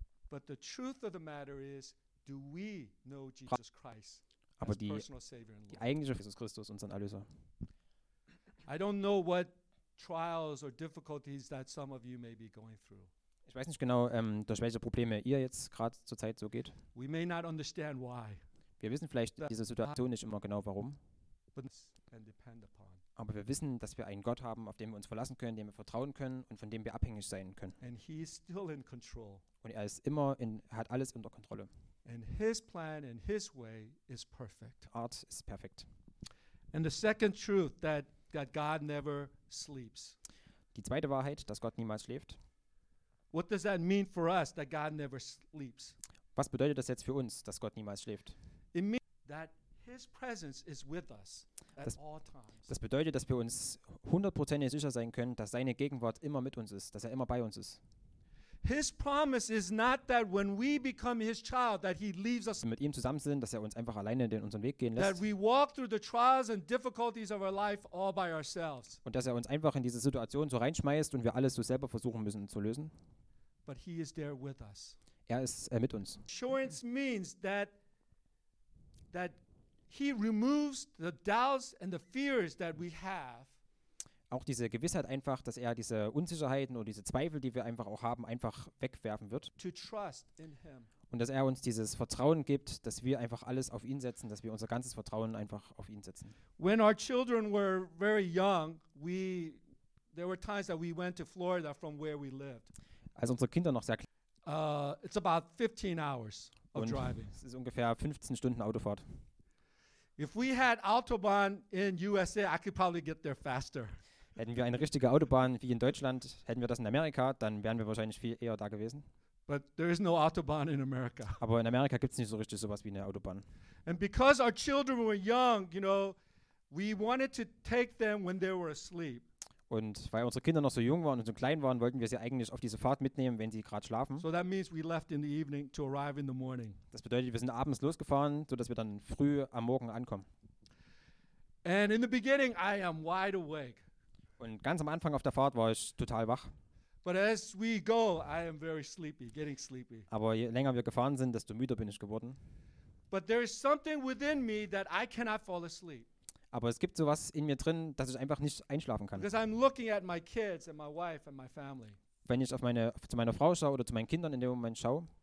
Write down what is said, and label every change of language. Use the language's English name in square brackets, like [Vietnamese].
[English] But the truth of the matter is, do we know Jesus Christ [German] aber [English] as personal Savior and Lord? [German] Eigentlich Jesus Christus, unseren Erlöser. [English] I don't know what trials or difficulties that some of you may be going through. [German] Ich weiß nicht genau, durch welche Probleme ihr jetzt gerade zurzeit so geht. [English] We may not understand why. [German] Wir wissen vielleicht diese Situation nicht immer genau warum. [English] But and depend upon. [German] Aber wir wissen, dass wir einen Gott haben, auf den wir uns verlassen können, dem wir vertrauen können und von dem wir abhängig sein können. [English] And he is still in control. [German] Und er ist immer in, hat alles unter Kontrolle. [English] And his plan and his way is perfect. [German] Art ist perfekt. [English] And the second truth that God never sleeps. [German] Die zweite Wahrheit, dass Gott niemals schläft. [English] What does that mean for us that God never sleeps? [German] Was bedeutet das jetzt für uns, dass Gott niemals schläft? [English] It means that his presence is with us. [German] Das bedeutet, dass wir uns 100% sicher sein können, dass seine Gegenwart immer mit uns ist, dass er immer bei uns ist. [English] His promise is not that when we become his child that he leaves us. [German] Mit ihm zusammen sind, dass er uns einfach alleine den unseren Weg gehen lässt. [English] That we walk through the trials and difficulties of our life all by ourselves. [German] Und dass er uns einfach in diese Situation so reinschmeißt und wir alles so selber versuchen müssen zu lösen. [English] But he is there with us. [German] Er ist mit uns. [English] Assurance means that he removes the doubts and the fears that we have. [German] Auch diese Gewissheit einfach, dass er diese Unsicherheiten oder diese Zweifel, die wir einfach auch haben, einfach wegwerfen wird. [English] To trust in him. [German] Und dass er uns dieses Vertrauen gibt, dass wir einfach alles auf ihn setzen, dass wir unser ganzes Vertrauen einfach auf ihn setzen. [English] When our children were very young, there were times that we went to Florida from where we lived. [German] Als unsere Kinder noch sehr klein waren. [English] It's about 15 hours of [German] und [English] driving. [German] Es ist ungefähr 15 Stunden Autofahrt. [English] If we had Autobahn in USA, I could probably get there faster. [German] Hätten wir eine richtige Autobahn wie in Deutschland, hätten wir das in Amerika, dann wären wir wahrscheinlich viel eher da gewesen. [English] But there is no Autobahn in America. [German] Aber in Amerika gibt es nicht so richtig sowas wie eine Autobahn. [English] And because our children were young, you know, we wanted to take them when they were asleep. [German] Und weil unsere Kinder noch so jung waren und so klein waren, wollten wir sie eigentlich auf diese Fahrt mitnehmen, wenn sie gerade schlafen. [English] So that means we left in the evening to arrive in the morning. [German] Das bedeutet, wir sind abends losgefahren, so dass wir dann früh am Morgen ankommen. [English] And in the beginning I am wide awake. [German] Und ganz am Anfang auf der Fahrt war ich total wach. [English] But as we go, I am very sleepy, getting sleepy. [German] Aber je länger wir gefahren sind, desto müder bin ich geworden. [English] But there is something within me that I cannot fall asleep. [German] Aber es gibt sowas in mir drin, dass ich einfach nicht einschlafen kann. [English] Because I'm looking at my kids and my wife and my family. [German] Wenn ich zu meiner Frau schaue oder zu meinen Kindern in dem Moment schaue,